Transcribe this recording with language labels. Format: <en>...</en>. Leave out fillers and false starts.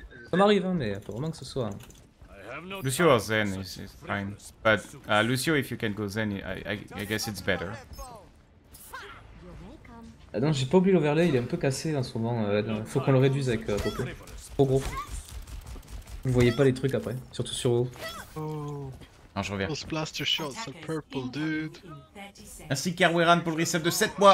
<fr>Ça m'arrive, hein, mais faut vraiment que ce soit.</fr> <en>Lucio or Zen is fine, but Lucio, if you can go Zen, I guess it's better.</en> <fr>Ah non, j'ai pas oublié l'overlay, il est un peu cassé en ce moment, faut qu'on le réduise avec Popo. Trop gros. Vous voyez pas les trucs après, surtout sur haut. Oh. Non, je reviens.</fr> <en>Those plaster shots are purple, dude.</en> <fr>Merci Kerweran pour le reset de 7 mois.</fr>